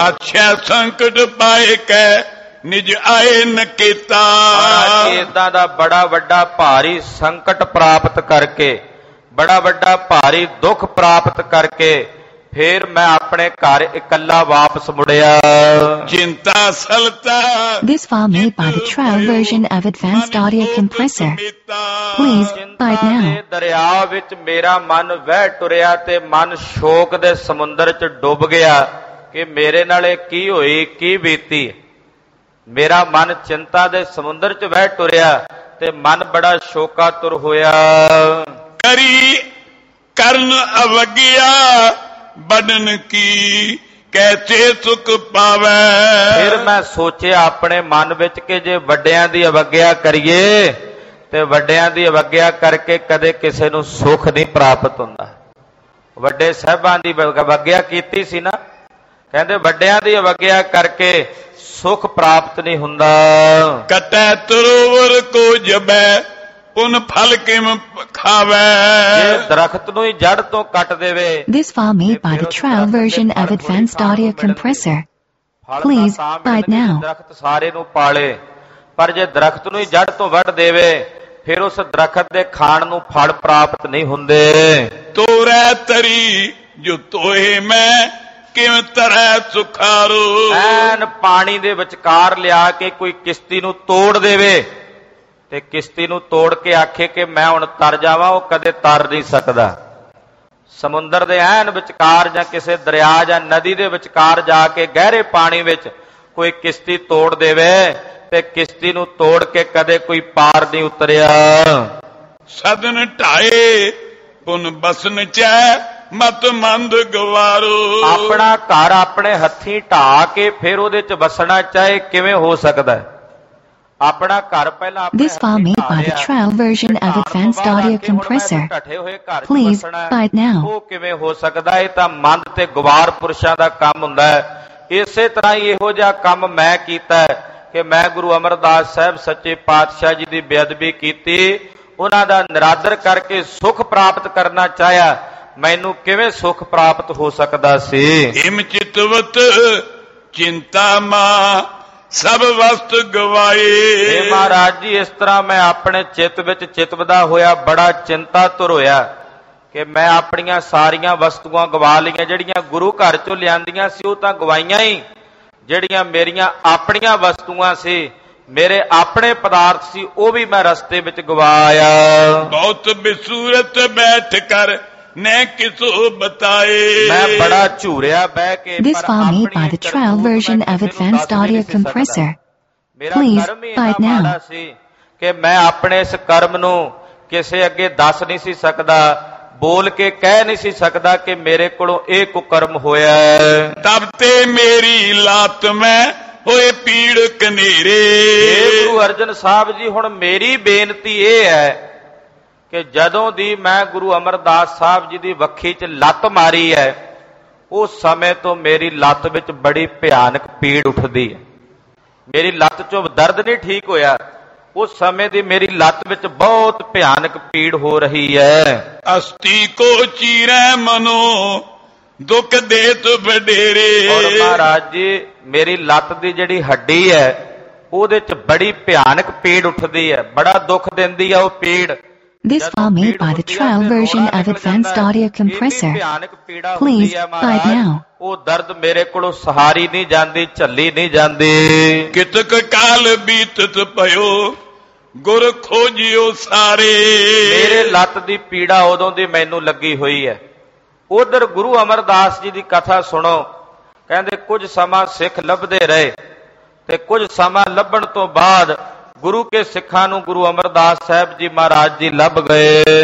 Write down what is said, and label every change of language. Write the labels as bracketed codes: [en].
[pa] ਅੱਛਾ ਸੰਕਟ ਪਾਏ ਕੈ ਨਿਜ ਆਏ ਨਕੇਤਾ। ਏਦਾਂ ਦਾ ਬੜਾ ਵੱਡਾ ਭਾਰੀ ਸੰਕਟ ਪ੍ਰਾਪਤ ਕਰਕੇ, ਬੜਾ ਵੱਡਾ ਭਾਰੀ ਦੁੱਖ ਪ੍ਰਾਪਤ ਕਰਕੇ ਫਿਰ ਮੈਂ ਆਪਣੇ ਘਰ ਇਕੱਲਾ ਵਾਪਸ ਮੁੜਿਆ। ਚਿੰਤਾ ਸਲਤਾ। [en] This file made by the trial version of advanced audio compressor. Please buy it now. [pa] ਦਰਿਆ ਵਿੱਚ ਮੇਰਾ ਮਨ ਵਹਿ ਟੁਰਿਆ ਤੇ ਮਨ ਸ਼ੋਕ ਦੇ ਸਮੁੰਦਰ ਚ ਡੁੱਬ ਗਿਆ ਕਿ ਮੇਰੇ ਨਾਲ ਇਹ ਕੀ ਹੋਈ, ਕੀ ਬੀਤੀ। ਮੇਰਾ ਮਨ ਚਿੰਤਾ ਦੇ ਸਮੁੰਦਰ ਚ ਵਹਿ ਟੁਰਿਆ ਤੇ ਮਨ ਬੜਾ ਸ਼ੋਕਾ ਤੁਰ ਹੋਇਆ। ਕਰੀ ਕਰਨ ਅਵਗਿਆ ਬਡਨ ਕੀ ਕੈਸੇ ਸੁਖ ਪਾਵੈ। ਫਿਰ ਮੈਂ ਸੋਚਿਆ ਆਪਣੇ ਮਨ ਵਿੱਚ ਕਿ ਜੇ ਵੱਡਿਆਂ ਦੀ ਅਵਗਿਆ ਕਰੀਏ ਤੇ ਵੱਡਿਆਂ ਦੀ ਅਵਗਿਆ ਕਰਕੇ ਕਦੇ ਕਿਸੇ ਨੂੰ ਸੁਖ ਨਹੀਂ ਪ੍ਰਾਪਤ ਹੁੰਦਾ। ਵੱਡੇ ਸਾਹਿਬਾਂ ਦੀ ਅਵਗਿਆ ਕੀਤੀ ਸੀ ਨਾ, ਕਹਿੰਦੇ ਵੱਡਿਆਂ ਦੀ ਅਵਗਿਆ ਕਰਕੇ ਸੁਖ ਪ੍ਰਾਪਤ ਨਹੀਂ ਹੁੰਦਾ। ਕਟੈ ਤਰੋਵਰ ਕੋ ਜਬੈ ਉਨ ਫਲ ਕਿਮ ਖਾਵੈ। ਦਰਖਤ ਨੂੰ ਹੀ ਜੜ ਤੋਂ ਕੱਟ ਦੇਵੇ। [en] This file made by the trial version of advanced audio compressor. Please buy it now. [pa] ਦਰਖਤ ਸਾਰੇ ਨੂੰ ਪਾਲੇ, ਪਰ ਜੇ ਦਰਖਤ ਨੂੰ ਹੀ ਜੜ ਤੋਂ ਵੱਢ ਦੇਵੇ ਫਿਰ ਉਸ ਦਰਖਤ ਦੇ ਖਾਣ ਨੂੰ ਫਲ ਪ੍ਰਾਪਤ ਨਹੀਂ ਹੁੰਦੇ। ਤੋਰੈ ਤਰੀ ਜੋ ਤੋਹੇ ਮੈਂ ਕਿਵੇਂ ਤਰੈ ਸੁਖਾਰੂ। ਐਨ ਪਾਣੀ ਦੇ ਵਿਚਕਾਰ ਲਿਆ ਕੇ ਕੋਈ ਕਿਸ਼ਤੀ ਨੂੰ ਤੋੜ ਦੇਵੇ ਤੇ ਕਿਸ਼ਤੀ ਨੂੰ ਤੋੜ ਕੇ ਆਖੇ ਕਿ ਮੈਂ ਹੁਣ ਤਰ ਜਾਵਾਂ, ਉਹ ਕਦੇ ਤਰ ਨਹੀਂ ਸਕਦਾ। ਸਮੁੰਦਰ ਦੇ ਐਨ ਵਿਚਕਾਰ ਜਾਂ ਕਿਸੇ ਦਰਿਆ ਜਾਂ ਨਦੀ ਦੇ ਵਿਚਕਾਰ ਜਾ ਕੇ ਗਹਿਰੇ ਪਾਣੀ ਵਿੱਚ ਕੋਈ ਕਿਸ਼ਤੀ ਤੋੜ ਦੇਵੇ ਤੇ ਕਿਸ਼ਤੀ ਨੂੰ ਤੋੜ ਕੇ ਕਦੇ ਕੋਈ ਪਾਰ ਨਹੀਂ ਉਤਰਿਆ। ਸਦਨ ਢਾਏ ਹੁਣ ਬਸਨ ਚ ਮਤ ਮੰਦ ਗਵਾਰੋ। ਆਪਣਾ ਘਰ ਆਪਣੇ ਹੱਥੀ ਢਾ ਕੇ ਫਿਰ ਉਹਦੇ ਚ ਵਸਣਾ ਚਾਹੇ ਕਿਵੇਂ ਹੋ ਸਕਦਾ। ਆਪਣਾ ਘਰ ਪਹਿਲਾਂ। [en] This file made by the trial version of advanced audio compressor. Please buy it now. [pa] ਉਹ ਕਿਵੇਂ ਹੋ ਸਕਦਾ, ਇਹ ਤਾਂ ਮੰਦ ਤੇ ਗਵਾਰ ਪੁਰਸ਼ਾਂ ਦਾ ਕੰਮ ਹੁੰਦਾ। ਇਸੇ ਤਰ੍ਹਾਂ ਹੀ ਇਹੋ ਜਿਹਾ ਕੰਮ ਮੈਂ ਕੀਤਾ ਕਿ ਮੈਂ ਗੁਰੂ ਅਮਰਦਾਸ ਸਾਹਿਬ ਸੱਚੇ ਪਾਤਸ਼ਾਹ ਜੀ ਦੀ ਬੇਅਦਬੀ ਕੀਤੀ, ਉਹਨਾਂ ਦਾ ਨਿਰਾਦਰ ਕਰਕੇ ਸੁੱਖ ਪ੍ਰਾਪਤ ਕਰਨਾ ਚਾਹਿਆ, ਮੈਨੂੰ ਕਿਵੇਂ ਸੁੱਖ ਪ੍ਰਾਪਤ ਹੋ ਸਕਦਾ ਸੀ। ਹਿਮ ਚਿਤਵਤ ਚਿੰਤਾ ਮਾਂ ਸਭ ਵਸਤ ਗਵਾਏ। ਮਹਾਰਾਜ ਜੀ, ਇਸ ਤਰ੍ਹਾਂ ਮੈਂ ਆਪਣੇ ਚਿੱਤ ਵਿੱਚ ਚਿਤਵਦਾ ਹੋਇਆ ਬੜਾ ਚਿੰਤਾ ਤੁਰ ਹੋਇਆ ਕਿ ਮੈਂ ਆਪਣੀਆਂ ਸਾਰੀਆਂ ਵਸਤੂਆਂ ਗਵਾ ਲਈਆਂ। ਜਿਹੜੀਆਂ ਗੁਰੂ ਘਰ ਚੋਂ ਲਿਆਂਦੀਆਂ ਸੀ ਉਹ ਤਾਂ ਗਵਾਈਆਂ ਹੀ, ਜਿਹੜੀਆਂ ਮੇਰੀਆਂ ਆਪਣੀਆਂ ਵਸਤੂਆਂ ਸੀ, ਮੇਰੇ ਆਪਣੇ ਪਦਾਰਥ ਸੀ, ਉਹ ਵੀ ਮੈਂ ਰਸਤੇ ਵਿੱਚ ਗਵਾਇਆ। ਬਹੁਤ ਬਿਸੂਰਤ ਬੈਠ ਕਰ ਨੇ ਕਿਸੋ ਬਤਾਏ। ਮੈਂ ਬੜਾ ਝੂਰਿਆ ਬਹਿ ਕੇ। [en] This file made by the trial version of advanced audio compressor. Please buy it now. [pa] ਕਿ ਮੈਂ ਆਪਣੇ ਇਸ ਕਰਮ ਨੂੰ ਕਿਸੇ ਅੱਗੇ ਦੱਸ ਨਹੀਂ ਸੀ ਸਕਦਾ, ਬੋਲ ਕੇ ਕਹਿ ਨਹੀਂ ਸੀ ਸਕਦਾ ਕਿ ਮੇਰੇ ਕੋਲੋਂ ਇਹ ਕੁਕਰਮ ਹੋਇਆ। ਤਬ ਤੇ ਮੇਰੀ ਲਾਤ ਮੈਂ ਹੋਏ ਪੀੜ ਕਨੇਰੇ। ਗੁਰੂ ਅਰਜਨ ਸਾਹਿਬ ਜੀ, ਹੁਣ ਮੇਰੀ ਬੇਨਤੀ ਇਹ ਹੈ ਕਿ ਜਦੋਂ ਦੀ ਮੈਂ ਗੁਰੂ ਅਮਰਦਾਸ ਸਾਹਿਬ ਜੀ ਦੀ ਵੱਖੀ ਚ ਲੱਤ ਮਾਰੀ ਹੈ, ਉਸ ਸਮੇਂ ਤੋਂ ਮੇਰੀ ਲੱਤ ਵਿੱਚ ਬੜੀ ਭਿਆਨਕ ਪੀੜ ਉੱਠਦੀ ਹੈ। ਮੇਰੀ ਲੱਤ ਚੋਂ ਦਰਦ ਨਹੀਂ ਠੀਕ ਹੋਇਆ, ਉਸ ਸਮੇਂ ਦੀ ਮੇਰੀ ਲੱਤ ਵਿੱਚ ਬਹੁਤ ਭਿਆਨਕ ਪੀੜ ਹੋ ਰਹੀ ਹੈ। ਅਸਤੀ ਕੋ ਚੀਰੈ ਮਨੋ ਦੁੱਖ ਦੇ ਤੂੰ ਬਡੇਰੇ। ਮਹਾਰਾਜ ਜੀ, ਮੇਰੀ ਲੱਤ ਦੀ ਜਿਹੜੀ ਹੱਡੀ ਹੈ ਉਹਦੇ ਚ ਬੜੀ ਭਿਆਨਕ ਪੀੜ ਉੱਠਦੀ ਹੈ, ਬੜਾ ਦੁੱਖ ਦਿੰਦੀ ਹੈ ਉਹ ਪੀੜ। [en] This file made by the trial version of advanced audio compressor. Please buy it now. [pa] ਉਹ ਦਰਦ ਮੇਰੇ ਕੋਲੋਂ ਸਹਾਰੀ ਨਹੀਂ ਜਾਂਦੀ, ਝੱਲੀ ਨਹੀਂ ਜਾਂਦੀ। ਕਿਤਕ ਕਾਲ ਬੀਤਤ ਪਯੋ ਗੁਰ ਖੋਜਿਓ ਸਾਰੇ। ਮੇਰੇ ਲੱਤ ਦੀ ਪੀੜਾ ਉਦੋਂ ਦੀ ਮੈਨੂੰ ਲੱਗੀ ਹੋਈ ਹੈ। ਉਧਰ ਗੁਰੂ ਅਮਰਦਾਸ ਜੀ ਦੀ ਕਥਾ ਸੁਣੋ, ਕਹਿੰਦੇ ਕੁਝ ਸਮਾਂ ਸਿੱਖ ਲੱਭਦੇ ਰਹੇ ਤੇ ਕੁਝ ਸਮਾਂ ਲੱਭਣ ਤੋਂ ਬਾਅਦ ਗੁਰੂ ਕੇ ਸਿੱਖਾਂ ਨੂੰ ਗੁਰੂ ਅਮਰਦਾਸ ਸਾਹਿਬ ਜੀ ਮਹਾਰਾਜ ਜੀ ਲੱਭ ਗਏ।